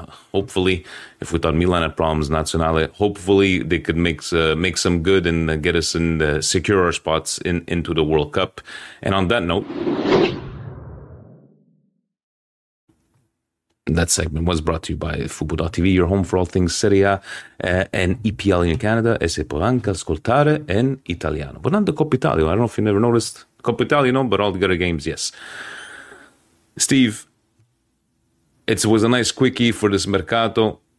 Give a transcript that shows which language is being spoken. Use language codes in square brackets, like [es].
[en] Hopefully, if we thought Milan had problems, Nazionale, hopefully they could make some good and get us in the secure our spots into the World Cup. And on that note, that segment was brought to you by Fubo.tv, your home for all things Serie A and EPL in Canada. [it] E se puoi anche ascoltare in italiano. [en] But not the Coppa Italia. I don't know if you never noticed. Coppa Italia, no, but all the other games, yes. Steve, it was a nice quickie for this Mercato.